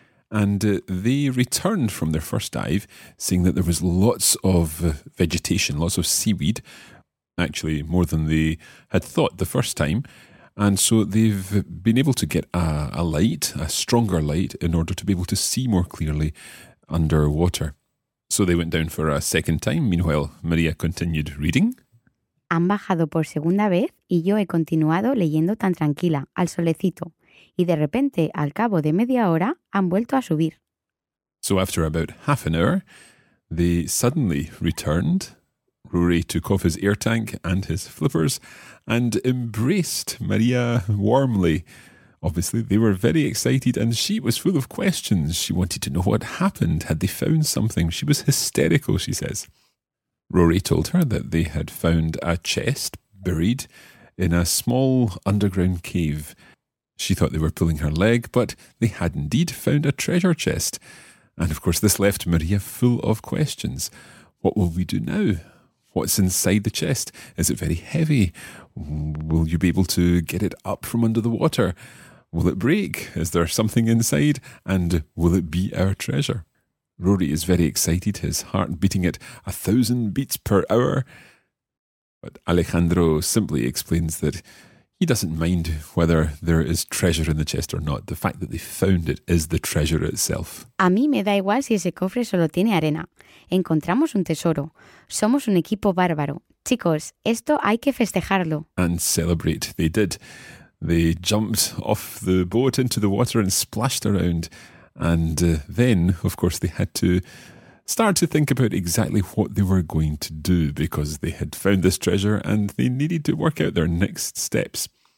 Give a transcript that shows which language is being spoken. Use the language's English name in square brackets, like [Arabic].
[English] And they returned from their first dive, seeing that there was lots of vegetation, lots of seaweed, actually more than they had thought the first time. And so they've been able to get a light, a stronger light, in order to be able to see more clearly underwater. So they went down for a second time. Meanwhile, Maria continued reading. [Spanish] Han bajado por segunda vez y yo he continuado leyendo tan tranquila, al solecito. Y de repente, al cabo de media hora, han vuelto a subir. [English] So after about half an hour, they suddenly returned. Rory took off his air tank and his flippers and embraced Maria warmly. Obviously, they were very excited and she was full of questions. She wanted to know what happened. Had they found something? She was hysterical, she says. Rory told her that they had found a chest buried in a small underground cave. She thought they were pulling her leg, but they had indeed found a treasure chest. And of course, this left Maria full of questions. What will we do now? What's inside the chest? Is it very heavy? Will you be able to get it up from under the water? Will it break? Is there something inside? And will it be our treasure? Rory is very excited, his heart beating at 1,000 beats per hour. But Alejandro simply explains that he doesn't mind whether there is treasure in the chest or not. The fact that they found it is the treasure itself. [Spanish] A mí me da igual si ese cofre solo tiene arena. Encontramos un tesoro. Somos un equipo bárbaro. Chicos, esto hay que festejarlo. [English] And celebrate they did. They jumped off the boat into the water and splashed around. And then, of course, they had to start to think about exactly what they were going to do because they had found this treasure and they needed to work out their next steps.